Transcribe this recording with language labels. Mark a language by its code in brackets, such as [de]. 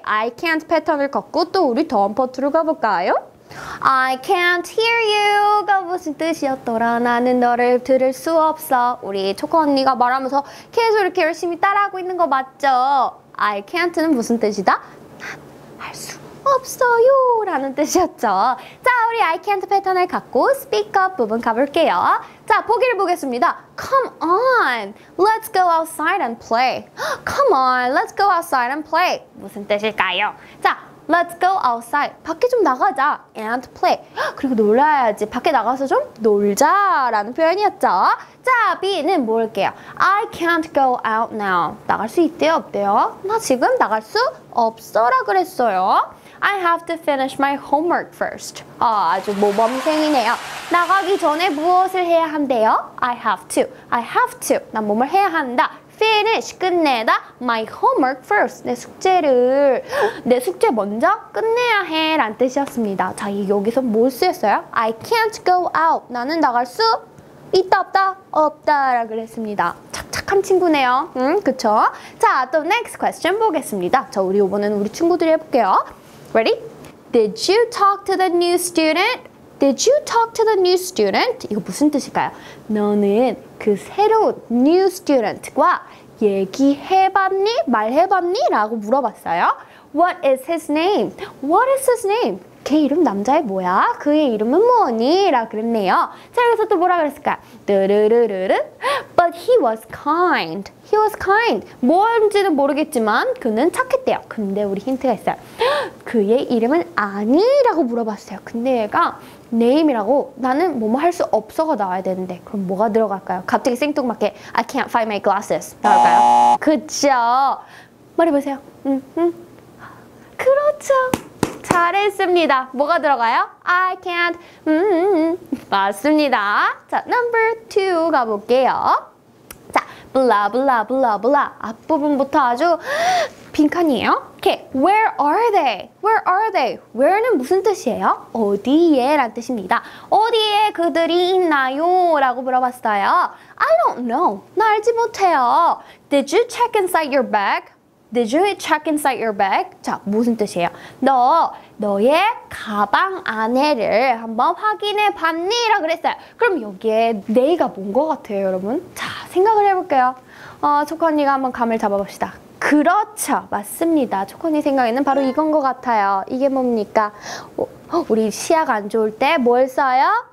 [ko] I can't 패턴을 걷고 또 우리 덤퍼트로 가볼까요? [en] I can't hear you가 [ko] 무슨 뜻이었더라. 나는 너를 들을 수 없어. 우리 초코 언니가 말하면서 계속 이렇게 열심히 따라하고 있는 거 맞죠? I can't는 무슨 뜻이다? 난 할 수 없어요 라는 뜻이었죠. 자, 우리 I can't 패턴을 갖고 speak up 부분 가볼게요. 자, 보기를 보겠습니다. [en] Come on, let's go outside and play. Come on, let's go outside and play. [ko] 무슨 뜻일까요? 자, [en] let's go outside. [ko] 밖에 좀 나가자. [en] And play. [ko] 그리고 놀아야지. 밖에 나가서 좀 놀자 라는 표현이었죠. 자, B는 뭘게요? [en] I can't go out now. [ko] 나갈 수 있대요? 없대요? 나 지금 나갈 수 없어라 그랬어요. [en] I have to finish my homework first. [ko] 아, 아주 모범생이네요. 나가기 전에 무엇을 해야 한대요? [en] I have to. I have to. [ko] 난 뭐뭐 해야 한다. [en] Finish, 끝내다. My homework first. [ko] 내 숙제를. 내 숙제 먼저 끝내야 해. 라는 뜻이었습니다. 자, 여기서 뭘 쓰였어요? [en] I can't go out. [ko] 나는 나갈 수 있다 없다 없다 라 그랬습니다. 착착한 친구네요. 그쵸? 자, 또 next question 보겠습니다. 자, 우리 이번에는 우리 친구들이 해볼게요. [en] Ready? Did you talk to the new student? Did you talk to the new student? [ko] 이거 무슨 뜻일까요? 너는 그 새로운 new student과 얘기해봤니? 말해봤니? 라고 물어봤어요. [en] What is his name? What is his name? [ko] 걔 이름 남자애 뭐야? 그의 이름은 뭐니? 라고 그랬네요. 자, 여기서 또 뭐라 그랬을까요? [en] 드르르르르. But he was kind. He was kind. [ko] 뭔지는 모르겠지만 그는 착했대요. 근데 우리 힌트가 있어요. 그의 이름은 아니? 라고 물어봤어요. 근데 얘가 name이라고 나는 뭐뭐 할 수 없어가 나와야 되는데 그럼 뭐가 들어갈까요? 갑자기 생뚱맞게 [en] I can't find my glasses. [ko] 나올까요? 그쵸? 말해보세요. 그렇죠. 잘했습니다. 뭐가 들어가요? I can't. 맞습니다. 자, number two 가볼게요. [en] 자, blah blah blah blah. [ko] 앞부분부터 아주 빈칸이에요. [en] Okay. Where are they? Where are they? [ko] Where는 무슨 뜻이에요? 어디에? 라는 뜻입니다. 어디에 그들이 있나요? 라고 물어봤어요. [en] I don't know. [ko] 나 알지 못해요. [en] Did you check inside your bag? Did you check inside your bag? [ko] 자, 무슨 뜻이에요? 너의 가방 안에를 한번 확인해 봤니? 라고 그랬어요. 그럼 여기에 네이가 뭔 것 같아요, 여러분? 자, 생각을 해볼게요. 초코 언니가 한번 감을 잡아봅시다. 그렇죠, 맞습니다. 초코 언니 생각에는 바로 이건 것 같아요. 이게 뭡니까? 우리 시야가 안 좋을 때 뭘 써요?